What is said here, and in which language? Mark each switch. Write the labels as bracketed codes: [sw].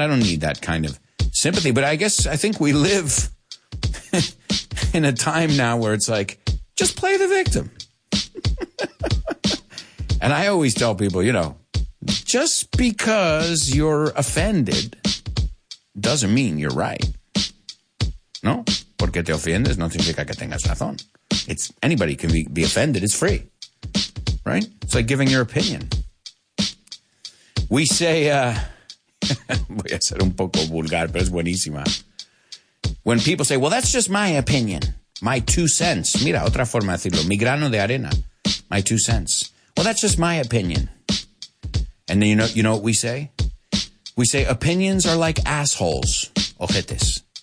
[en] I don't need that kind of sympathy. But I guess I think we live in a time now where it's like, just play the victim. And I always tell people, you know, just because you're offended doesn't mean you're right. [es] No, porque te ofendes no significa que tengas razón. [en] It's anybody can be offended. It's free. Right? It's like giving your opinion. We say, [es] voy a ser un poco vulgar, pero es buenísima. [en] When people say, well, that's just my opinion, my two cents. [es] Mira, otra forma de decirlo. Mi grano de arena, [en] my two cents. Well, that's just my opinion. And then you know what we say? We say opinions are like assholes. Ojetes.